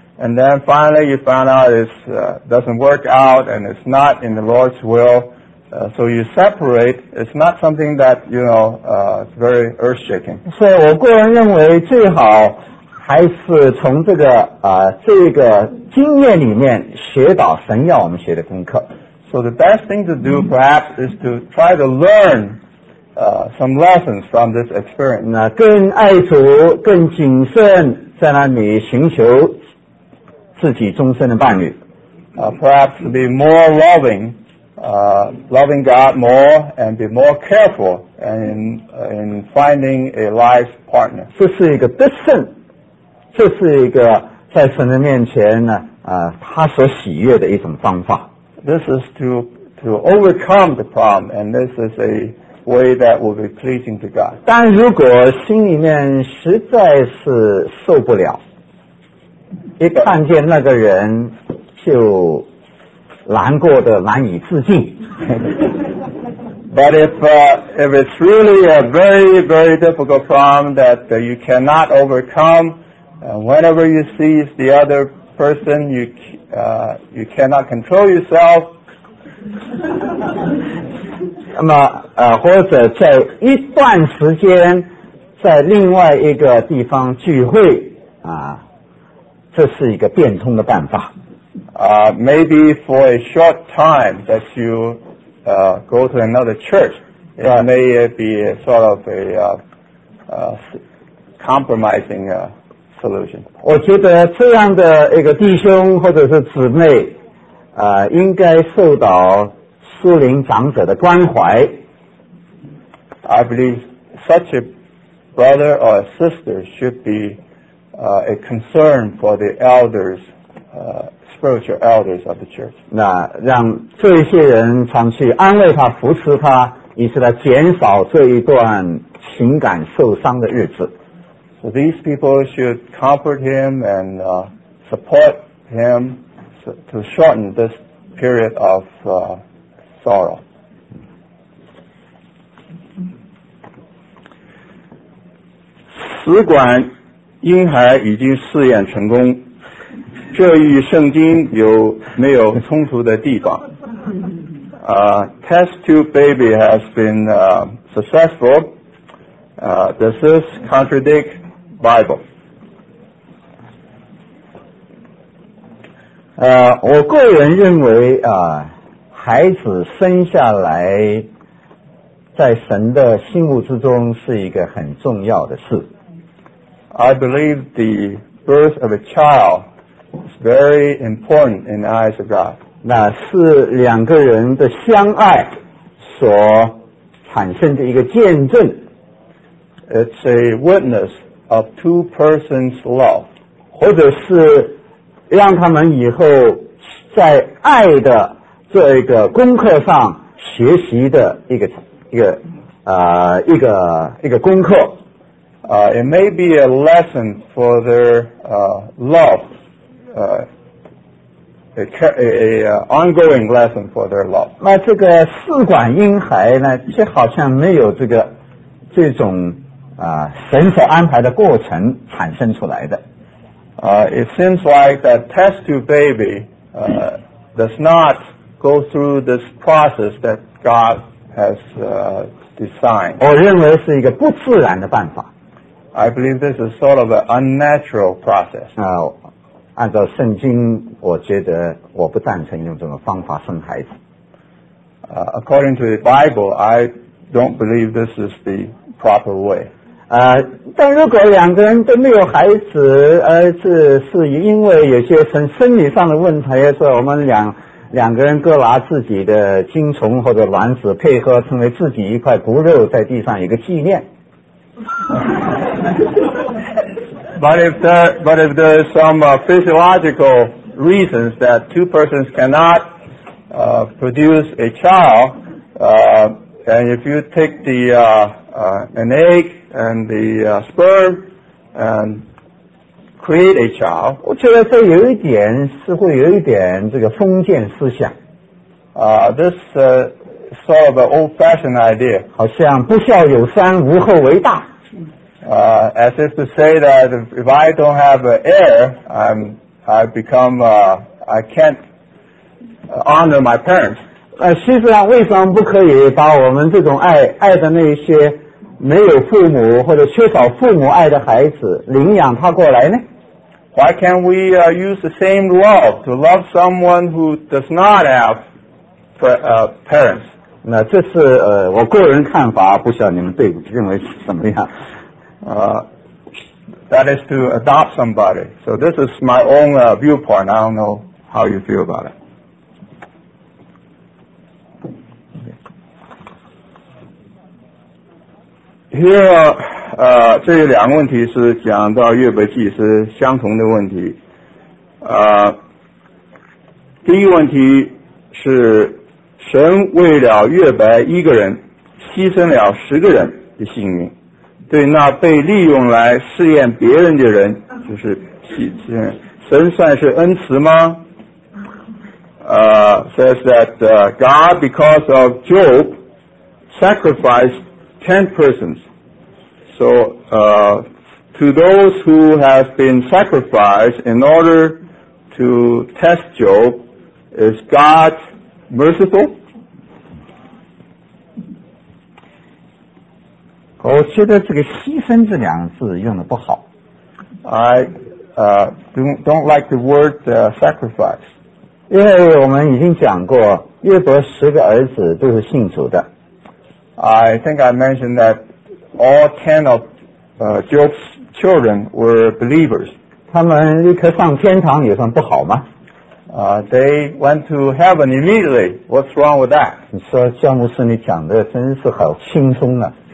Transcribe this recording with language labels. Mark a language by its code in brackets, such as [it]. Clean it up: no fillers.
[en] And then finally you find out it doesn't work out and it's not in the Lord's will, So you separate, it's not something that, you know, it's very earth-shaking. [zh] 所以我个人认为最好还是从这个这个经验里面学到神要我们学的功课。 [en] So the best thing to do perhaps is to try to learn some lessons from this experience. [zh] 那更爱主，更谨慎，在那里寻求自己终身的伴侣。 [en] Perhaps to be more loving, loving God more and be more careful in finding a life partner. [zh] 这是一个得胜，这是一个在神的面前呢，他所喜悦的一种方法。 [en] This is to overcome the problem, and this is a way that will be pleasing to God. [zh] 但如果心里面实在是受不了，一看见那个人就难过的难以自禁。 [en] But if it's really a very, very difficult problem that you cannot overcome, and whenever you see the other person, you cannot control yourself. [zh] 那么或者在一段时间在另外一个地方聚会这是一个变通的办法。 [en] Maybe for a short time that you go to another church, it may be a sort of a compromising solution. [zh] 我觉得这样的一个弟兄或者是姊妹应该受到属灵长者的关怀。 [en] I believe such a brother or a sister should be a concern for the elders, spiritual elders of the church. [zh] 那让这些人常去安慰他、扶持他，以使他减少这一段情感受伤的日子。 [en] So these people should comfort him and support him to shorten this period of sorrow. [zh] 使管婴孩已经试验成功，这与圣经有没有冲突的地方？ [en] Test tube baby has been successful. Does this contradict Bible? [zh] 我个人认为孩子生下来在神的心目之中是一个很重要的事。 [en] I believe the birth of a child is very important in the eyes of God. [zh] 那是两个人的相爱所产生的一个见证。 [en] It's a witness of two persons' love. [zh] 或者是让他们以后在爱的这一个功课上学习的一个功课。 [en] It may be a lesson for their love, ongoing lesson for their love. [zh] 那这个试管婴孩呢，却好像没有这种神所安排的过程产生出来的。 [en] It seems like that test tube baby does not go through this process that God has designed. [zh] 我认为是一个不自然的办法。 [en] I believe this is sort of an unnatural process. [zh] 按照圣经，我觉得我不赞成用这种方法生孩子。 [en] According to the Bible, I don't believe this is the proper way. [zh] 但如果两个人都没有孩子，是因为有些生理上的问题，所以我们两个人各拿自己的精虫或者卵子配合，成为自己一块骨肉，在地上一个纪念。 [en] but if there is some physiological reasons that two persons cannot produce a child, and if you take the an egg and the sperm and create a child, [zh] 我觉得这有一点似乎有一点这个封建思想。 [en] This sort of an old-fashioned idea, [zh] 好像不孝有三，无后为大。 [en] As if to say that if I don't have an heir, I become I can't honor my parents. [zh] 西斯兰为什么不可以把我们这种爱的那些没有父母或者缺少父母爱的孩子领养他过来呢？ [en] Why can't we use the same love to love someone who does not have parents? [zh] 那这是我个人看法，不晓得你们对认为是怎么样。 [en] That is to adopt somebody. So this is my own viewpoint. I don't know how you feel about it. [zh] Here, 这两个问题是讲到约伯记是相同的问题。第一问题是神为了约伯一个人牺牲了十个人的性命。对那被利用来试验别人的人，就是神算是恩慈吗？ [en] Says that God, because of Job, sacrificed 10 persons. So, to those who have been sacrificed in order to test Job, is God merciful? [zh] 我觉得这个牺牲这两个字用的不好。 [en] I don't like the word sacrifice. [zh] 因为我们已经讲过约伯十个儿子都是信主的。 [en] I think I mentioned that all 10 of Job's children were believers. [zh] 他们立刻上天堂也算不好吗？ [en] They went to heaven immediately. What's wrong with that? [zh] 你说教牧师你讲的真是好轻松啊。